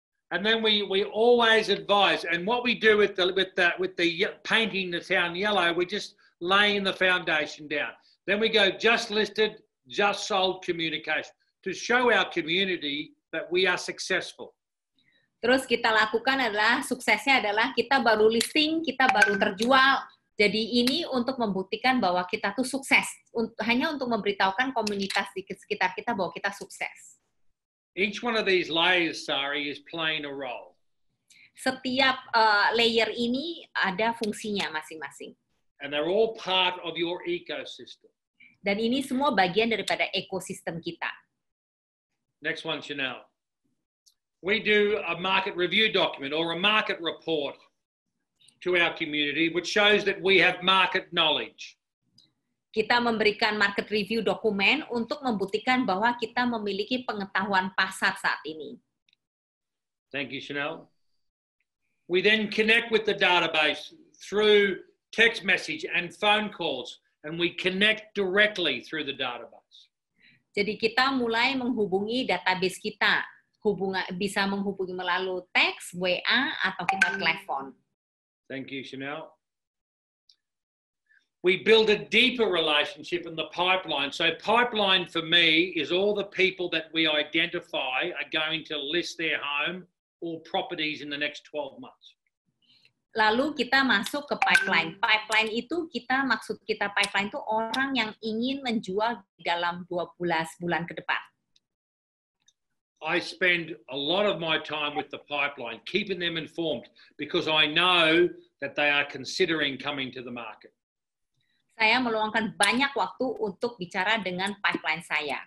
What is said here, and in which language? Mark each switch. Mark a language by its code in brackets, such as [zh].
[en] And then we always advise, and what we do with the painting the town yellow, we're just laying the foundation down. Then we go just listed, just sold communication to show our community that we are successful. [id] Terus kita lakukan adalah suksesnya adalah kita baru listing, kita baru terjual. Jadi ini untuk membuktikan bahwa kita tuh sukses. Hanya untuk memberitahukan komunitas di sekitar kita bahwa kita sukses. [en] Each one of these layers, Sari, is playing a role. [id] Setiap layer ini ada fungsinya masing-masing. [en] And they're all part of your ecosystem. [id] Dan ini semua bagian daripada ekosistem kita. [en] Next one, Chanel. We do a market review document or a market report to our community, which shows that we have market knowledge. [id] Kita memberikan market review dokumen untuk membuktikan bahwa kita memiliki pengetahuan pasar saat ini. [en] Thank you, Chanel. We then connect with the database through text message and phone calls, and we connect directly through the database. [id] Jadi kita mulai menghubungi database kita, bisa menghubungi melalui teks, WA, atau kita telepon. [en] Thank you, Chanel. We build a deeper relationship in the pipeline. So pipeline for me is all the people that we identify are going to list their home or properties in the next 12 months. [id] Lalu kita masuk ke pipeline. Pipeline itu kita, maksud kita pipeline itu orang yang ingin menjual dalam 12 bulan ke depan. [en] I spend a lot of my time with the pipeline, keeping them informed, because I know that they are considering coming to the market. [id] Saya meluangkan banyak waktu untuk bicara dengan pipeline saya.